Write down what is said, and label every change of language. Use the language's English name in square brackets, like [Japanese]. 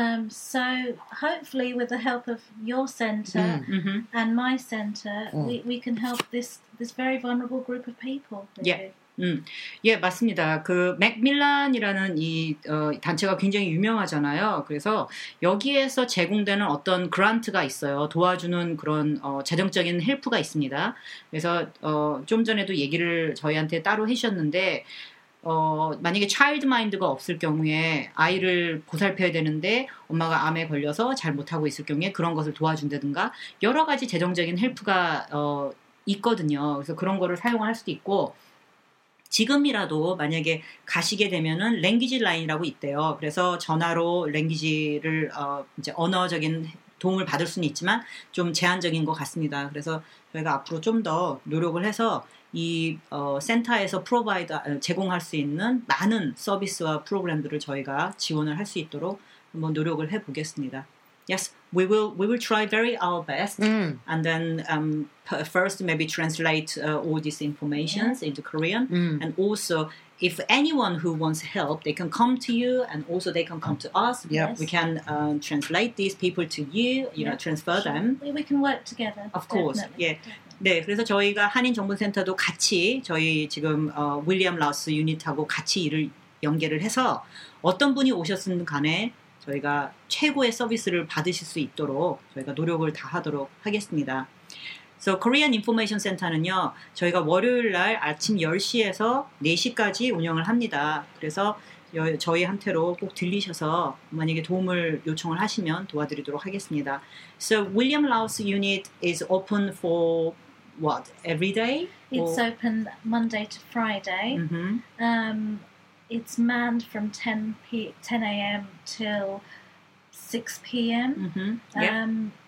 [English] So hopefully with the help of your centre and my centre, we can help this very vulnerable group of people. [Korean] Really. Yeah. 예, 맞습니다. 그 맥밀란이라는 이 단체가 굉장히 유명하잖아요. 그래서 여기에서 제공되는 어떤 그란트가 있어요. 도와주는 그런 재정적인 헬프가 있습니다. 그래서 좀 전에도 얘기를 저희한테 따로 해주셨는데 만약에 차일드 마인드가 없을 경우에 아이를 보살펴야 되는데 엄마가 암에 걸려서 잘 못하고 있을 경우에 그런 것을 도와준다든가 여러 가지 재정적인 헬프가 있거든요. 그래서 그런 거를 사용할 수도 있고 지금이라도 만약에 가시게 되면은 랭귀지 라인이라고 있대요. 그래서 전화로 랭귀지를 이제 언어적인 도움을 받을 수는 있지만 좀 제한적인 것 같습니다. 그래서 저희가 앞으로 좀 더 노력을 해서 이 센터에서 제공할 수 있는 많은 서비스와 프로그램들을 저희가 지원을 할 수 있도록 한번 노력을 해 보겠습니다. [English] Yes, we will try very our best, and then first maybe translate all these informations into Korean, and also if anyone who wants help, they can come to you, and also they can come to us. Yep. We can translate these people to you, you know, transfer them. We can work together. Of course, definitely. [Korean] 네, 그래서 저희가 한인정보센터도 같이 저희 지금 윌리엄 라우스 유닛하고 같이 일을 연계를 해서 어떤 분이 오셨든 간에 저희가 최고의 서비스를 받으실 수 있도록 저희가 노력을 다하도록 하겠습니다. So Korean Information Center는요, 저희가 월요일 날 아침 10시에서 4시까지 운영을 합니다. 그래서 저희한테로 꼭 들리셔서 만약에 도움을 요청을 하시면 도와드리도록 하겠습니다. [English] So William Laos Unit is open for what? Every day? It's open Monday to Friday. Mm-hmm. It's manned from 10 a.m. till 6 p.m. Mm-hmm.